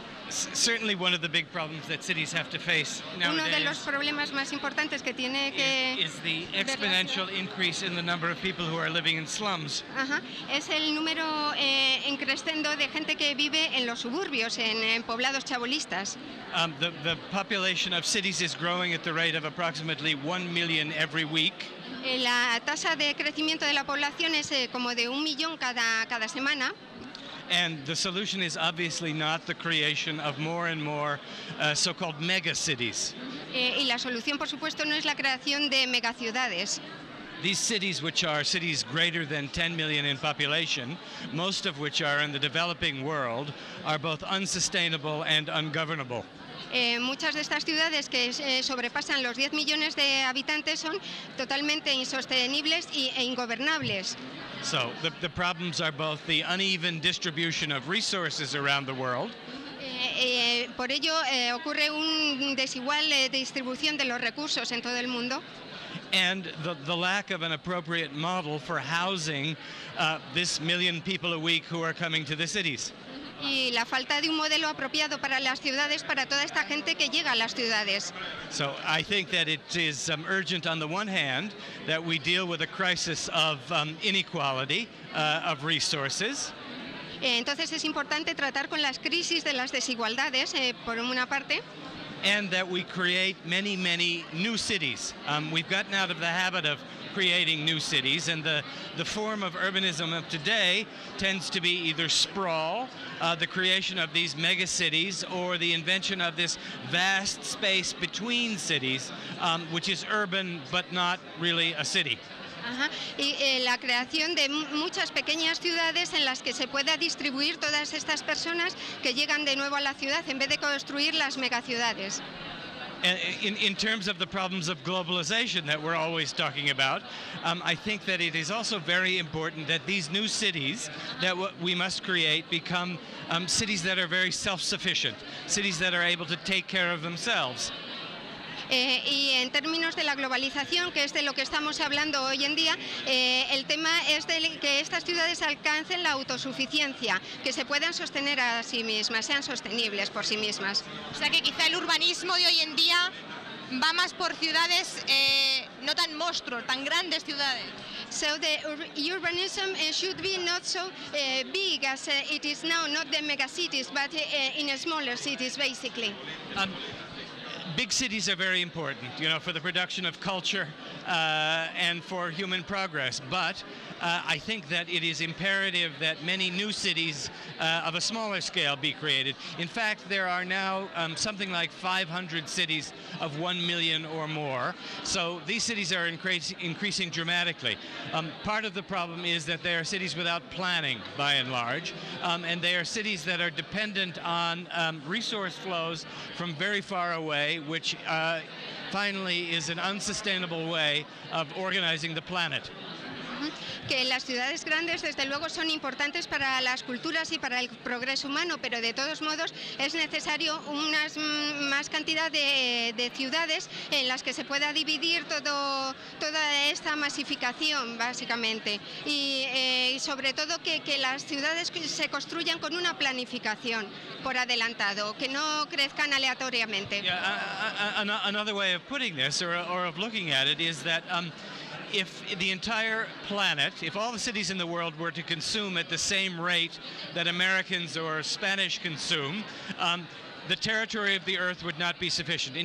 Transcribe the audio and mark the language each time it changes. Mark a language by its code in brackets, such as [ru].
[en] Certainly one of the big problems that cities have to face nowadays. [es] Uno de los problemas más importantes que tiene que [en] is the exponential increase in the number of people who are living in slums. [es] Es el número en creciendo de gente que vive en los suburbios, en poblados chabolistas. [en] The population of cities is growing at the rate of approximately 1 million every week. [es] La tasa de crecimiento de la población es como de 1 millón cada semana. [en] And the solution is obviously not the creation of more and more so-called mega cities. [es] Y la solución, por supuesto, no es la creación de megaciudades. [en] These cities, which are cities greater than 10 million in population, most of which are in the developing world, are both unsustainable and ungovernable. [es] Muchas de estas ciudades que sobrepasan los 10 millones de habitantes son totalmente insostenibles e ingobernables. [en] So the problems are both the uneven distribution of resources around the world. [es] Por ello ocurre un desigual distribución de los recursos en todo el mundo. [en] And the lack of an appropriate model for housing this million people a week who are coming to the cities. [es] Y la falta de un modelo apropiado para las ciudades, para toda esta gente que llega a las ciudades. [en] So I think that it is urgent on the one hand that we deal with a crisis of inequality of resources. [es] Entonces es importante tratar con las crisis de las desigualdades, por una parte. [en] And that we create many, many new cities. We've gotten out of the habit of creating new cities, and the form of urbanism of today tends to be either sprawl, the creation of these mega cities, or the invention of this vast space between cities, which is urban but not really a city. [es] Y la creación de muchas pequeñas ciudades en las que se pueda distribuir todas estas personas que llegan de nuevo a la ciudad en vez de construir las megaciudades. [en] In terms of the problems of globalization that we're always talking about, I think that it is also very important that these new cities that we must create become cities that are very self-sufficient, cities that are able to take care of themselves. [es] Y en términos de la globalización, que es de lo que estamos hablando hoy en día, el tema es de que estas ciudades alcancen la autosuficiencia, que se puedan sostener a sí mismas, sean sostenibles por sí mismas. O sea que quizá el urbanismo de hoy en día va más por ciudades no tan monstruos, tan grandes ciudades. [en] So the urbanism should be not so big as it is now, not the megacities, but in smaller cities, basically. Big cities are very important, you know, for the production of culture and for human progress. But I think that it is imperative that many new cities of a smaller scale be created. In fact, there are now something like 500 cities of 1 million or more. So these cities are increasing dramatically. Part of the problem is that they are cities without planning, by and large. And they are cities that are dependent on resource flows from very far away, which finally is an unsustainable way of organizing the planet. [es] Que las ciudades grandes desde luego son importantes para las culturas y para el progreso humano, pero de todos modos es necesario unas más cantidad de ciudades en las que se pueda dividir todo esta masificación, básicamente, y sobre todo que las ciudades se construyan con una planificación por adelantado, que no crezcan aleatoriamente. [en] Another way of putting this, or of looking at it, is that if the entire planet, if all the cities in the world were to consume at the same rate that Americans or Spanish consume, the territory of the Earth would not be sufficient.